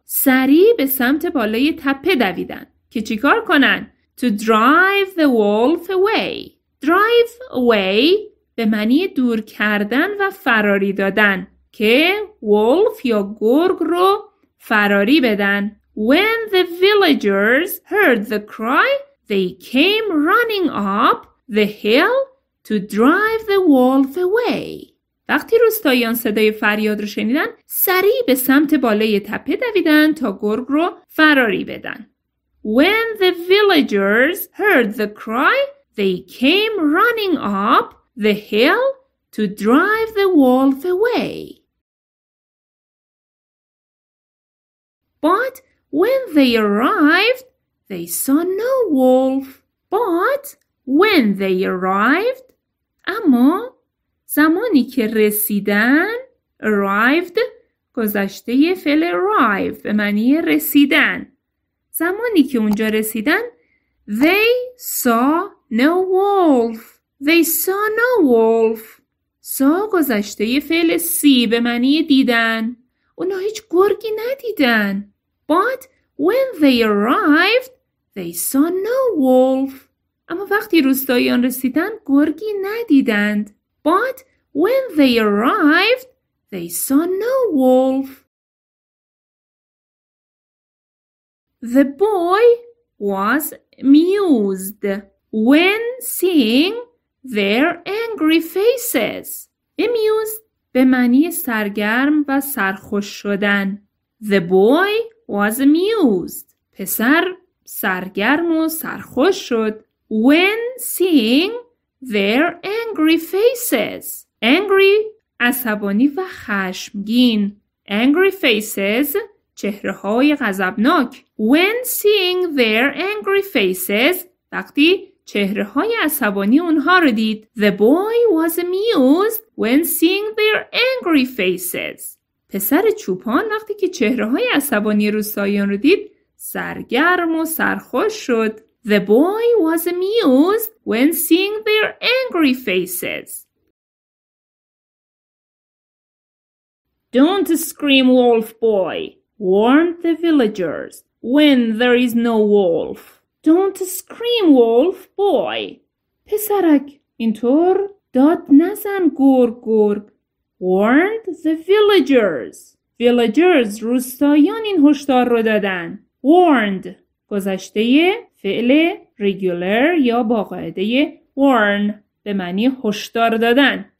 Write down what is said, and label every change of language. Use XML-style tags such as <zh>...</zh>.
<fa>سریع به سمت بالای تپه دویدن. که چیکار کنن؟</fa> <en>To drive the wolf away.</en> <fa>Drive away به معنی دور کردن و فراری دادن. که wolf یا گرگ رو فراری بدن.</fa> <en>When the villagers heard the cry, they came running up the hill to drive the wolf away.</en> <fa>وقتی روستاییان صدای فریاد رو شنیدن، سریع به سمت بالای تپه دویدن تا گرگ رو فراری بدن.</fa> <en>When the villagers heard the cry, they came running up the hill to drive the wolf away. But when they arrived, They saw no wolf. But when they arrived,</en> <fa>اما زمانی که رسیدن arrived گذشته فعل arrive به معنی رسیدن. زمانی که اونجا رسیدن</fa> <en>they saw no wolf. They saw no wolf.</en> <fa>saw گذشته فعل see به معنی دیدن. اونا هیچ گرگی ندیدن.</fa> <en>But when they arrived, they saw no wolf.</en> <fa>اما وقتی روستاییان رسیدن گرگی ندیدند.</fa> <en>But when they arrived, they saw no wolf. The boy was amused when seeing their angry faces.</en> <fa>Amused به معنی سرگرم و سرخوش شدن.</fa> <en>The boy was amused.</en> <fa>پسر سرگرم و سرخوش شد.</fa> <en>When seeing their angry faces.</en> <fa>Angry عصبانی و خشمگین. Angry faces چهره های غضبناک.</fa> <en>When seeing their angry faces</en> <fa>وقتی چهره های عصبانی اونها رو دید.</fa> <en>The boy was amused when seeing their angry faces.</en> <fa>پسر چوپان وقتی که چهره های عصبانی روستاییان رو دید سرگرم و سرخوش شد.</fa> <en>The boy was amused when seeing their angry faces. Don't scream, wolf boy, warned the villagers, when there is no wolf. Don't scream, wolf boy.</en> <fa>پسرک اینطور داد نزن گرگ گرگ.</fa> <en>Warned the villagers.</en> <fa>Villagers روستاییان این هشدار رو دادن. Warned گذشته فعل regular یا با قاعده warn به معنی هشدار دادن.</fa>